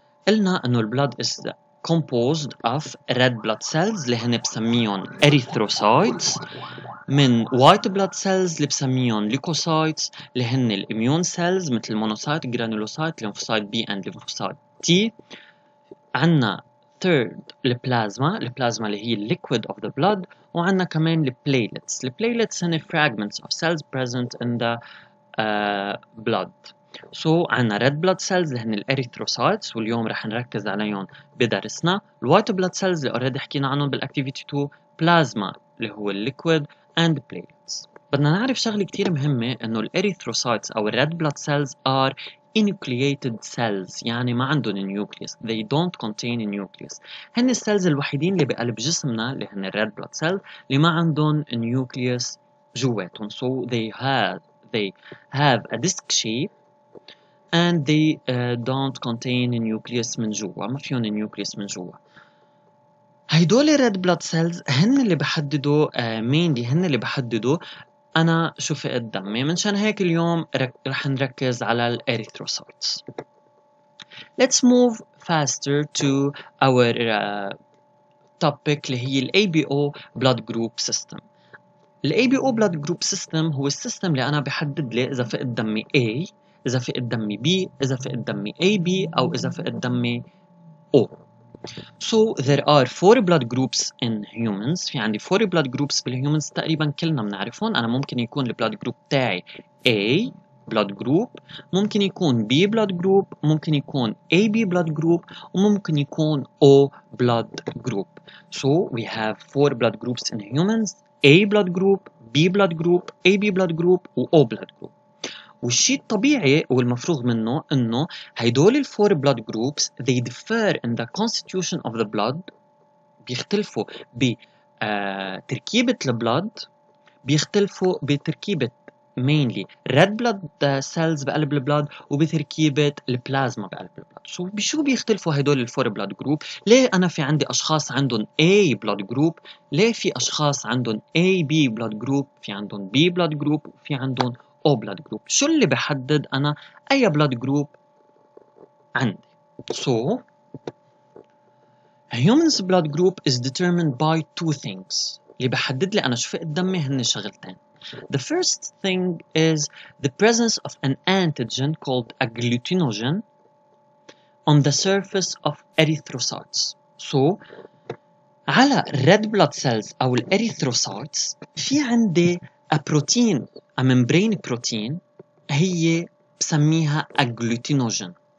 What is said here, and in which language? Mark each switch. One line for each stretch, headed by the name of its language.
Arabic: قلنا إنه
English: the blood is composed of red blood cells
Arabic: اللي هن بسميهم
English: erythrocytes, من white blood cells
Arabic: اللي بسميهم
English: leukocytes
Arabic: اللي هن
English: immune cells مثل monocyte, granulocyte, lymphocyte B and lymphocyte T. عنا third the plasma
Arabic: اللي هي
English: liquid of the blood,
Arabic: وعنا كمان
English: platelets. Platelets هن fragments of cells present in the blood.
Arabic: So عنا
English: red blood cells
Arabic: اللي هن الاريثروسايتس, واليوم رح نركز عليهم بدرسنا.
English: الوايت blood cells
Arabic: اللي
English: already
Arabic: حكينا عنهم
English: بالاكتيفيتي 2, بلازما
Arabic: اللي هو
English: الليكويد and platelets.
Arabic: بدنا نعرف شغله كتير مهمه, انه
English: الاريثروسايتس او الريد blood cells are anucleated cells,
Arabic: يعني ما عندهم
English: Nucleus, they don't contain a nucleus.
Arabic: هن السيلز الوحيدين اللي بقلب جسمنا اللي هن
English: الريد blood cells
Arabic: اللي ما عندهم نيوكليوس جواتهم.
English: So they have a disc shape and they don't contain a nucleus
Arabic: من جوا, ما فيهم
English: a nucleus
Arabic: من جوا. هيدول
English: red blood cells
Arabic: هن اللي بحددوا mainly هن اللي بحددوا انا شو في قدامي. منشان هيك اليوم رح نركز على ال erythrocytes.
English: Let's move faster to our topic
Arabic: اللي هي
English: ال ABO blood group system.
Arabic: ال
English: ABO blood group system
Arabic: هو السيستم اللي انا بحدد لي اذا في قدامي A, إذا في قدامي B, إذا في قدامي AB, أو إذا في قدامي O.
English: So there are four blood groups in humans.
Arabic: في عندي
English: four blood groups
Arabic: بالhumans تقريبا كلنا بنعرفهم. أنا ممكن يكون blood group تاعي A blood group, ممكن يكون B blood group, ممكن يكون AB blood group, وممكن يكون O blood group.
English: So we have four blood groups in humans: A blood group, B blood group, AB blood group, و O blood group.
Arabic: والشيء الطبيعي والمفروغ منه انه هيدول الفور blood groups
English: they differ in the constitution of the blood,
Arabic: بيختلفوا بتركيبة blood, بيختلفوا بتركيبة mainly
English: red blood cells
Arabic: بقلب blood وبتركيبة plasma بقلب blood. So بشو بيختلفوا هيدول الفور blood group؟ ليه انا في عندي اشخاص عندهم A blood group, ليه في اشخاص عندهم AB blood group, في عندهم B blood group, في عندهم O blood group. شو اللي بحدد أنا أي blood group عندي؟
English: So humans blood group is determined by two things.
Arabic: اللي بحدد لي أنا شو في قدامي هن شغلتين.
English: The first thing is the presence of an antigen called agglutinogen on the surface of erythrocytes. So على red blood cells أو erythrocytes
Arabic: في عندي
English: a protein, a membrane protein,
Arabic: هي بسميها
English: agglutinogen.